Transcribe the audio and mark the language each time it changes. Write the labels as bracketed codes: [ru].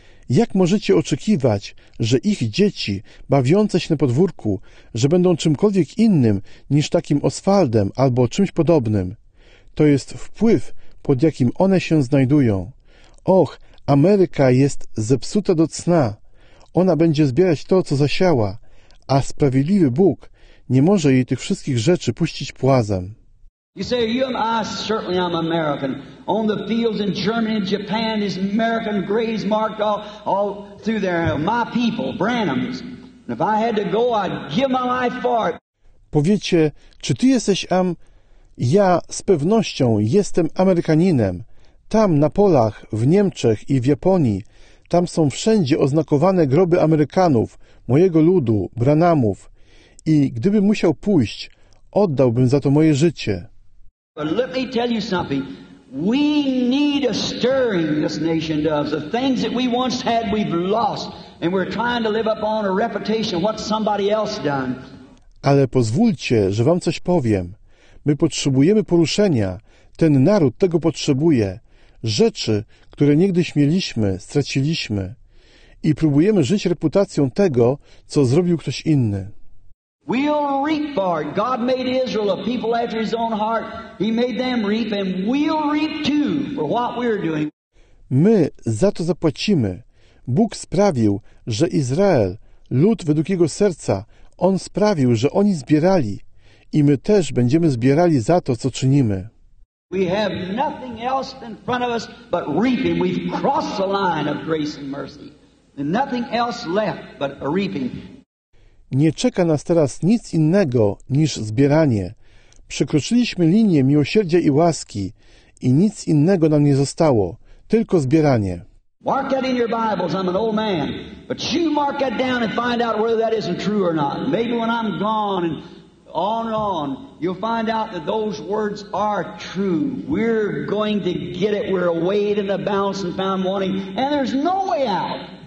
[pl] Jak możecie oczekiwać, że ich dzieci, bawiące się na podwórku, że będą czymkolwiek innym niż takim Oswaldem albo czymś podobnym? To jest wpływ, pod jakim one się znajdują. Och, Ameryka jest zepsuta do cna. Ona będzie zbierać to, co zasiała, a sprawiedliwy Bóg nie może jej tych wszystkich rzeczy puścić płazem. [en] You say, you and I, certainly I'm American. On the fields in Germany and Japan, these American graves marked all through there. My people, Branhams. And if I had to go, I'd give my life for it. [pl] Powiecie, czy ty jesteś ja z pewnością jestem Amerykaninem. Tam na polach, w Niemczech i w Japonii, tam są wszędzie oznakowane groby Amerykanów, mojego ludu, Branhamów. I gdybym musiał pójść, oddałbym za to moje życie. [en] But let me tell you something. We need a stirring, this nation does. The things that we once had, we've lost. And we're trying to live up on a reputation of what somebody else done. [pl] Ale pozwólcie, że wam coś powiem. My potrzebujemy poruszenia. Ten naród tego potrzebuje. Rzeczy, które niegdyś mieliśmy, straciliśmy. I próbujemy żyć reputacją tego, co zrobił ktoś inny. [en] We'll reap for it. God made Israel a people after his own heart. He made them reap, and we'll reap too for what we're doing. [pl] My za to zapłacimy. Bóg sprawił, że Izrael, lud według jego serca, on sprawił, że oni zbierali. I my też będziemy zbierali za to, co czynimy. [en] We have nothing else in front of us but reaping. We've crossed the line of grace and mercy. And nothing else left but a reaping. [pl] Nie czeka nas teraz nic innego niż zbieranie. Przekroczyliśmy linię miłosierdzia i łaski i nic innego nam nie zostało, tylko zbieranie. [en] Mark that in your Bibles, I'm an old man. But you mark that down and find out whether that isn't true or not. Maybe when I'm gone and on, you'll find out that those words are true. We're going to get it. We're weighed in the balance and found wanting, and there's no way out.